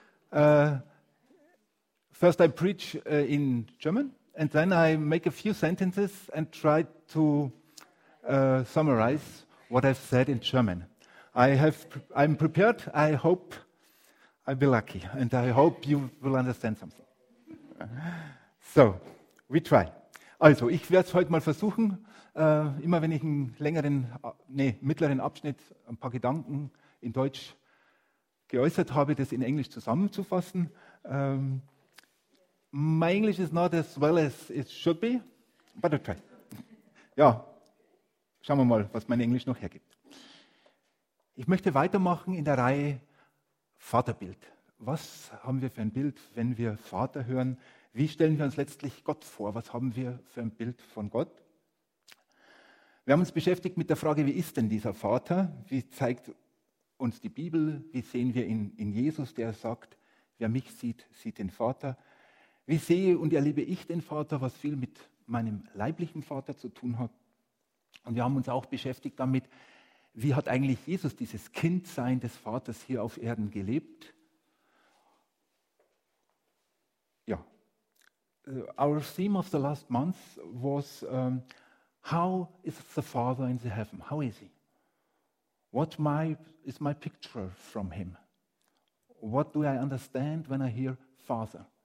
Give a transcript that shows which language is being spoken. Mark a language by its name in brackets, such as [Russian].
[English] First, I preach in German, and then I make a few sentences and try to summarize what I've said in German. I'm prepared. I hope I'll be lucky, and I hope you will understand something. So, we try. [German] Also, ich werde es heute mal versuchen. Immer wenn ich einen mittleren Abschnitt, ein paar Gedanken in Deutsch geäußert habe, das in Englisch zusammenzufassen. [English] My English is not as well as it should be, but I try. [German] Ja. Schauen wir mal, was mein Englisch noch hergibt. Ich möchte weitermachen in der Reihe Vaterbild. Was haben wir für ein Bild, wenn wir Vater hören? Wie stellen wir uns letztlich Gott vor? Was haben wir für ein Bild von Gott? Wir haben uns beschäftigt mit der Frage, wie ist denn dieser Vater? Wie zeigt uns die Bibel? Wie sehen wir ihn in Jesus, der sagt, wer mich sieht, sieht den Vater? Wie sehe und erlebe ich den Vater, was viel mit meinem leiblichen Vater zu tun hat? Und wir haben uns auch beschäftigt damit, wie hat eigentlich Jesus dieses Kindsein des Vaters hier auf Erden gelebt? Ja. [English] Our theme of the last month was, how is the Father in the heaven? How is he? What is my picture from him? What do I understand when I hear Father?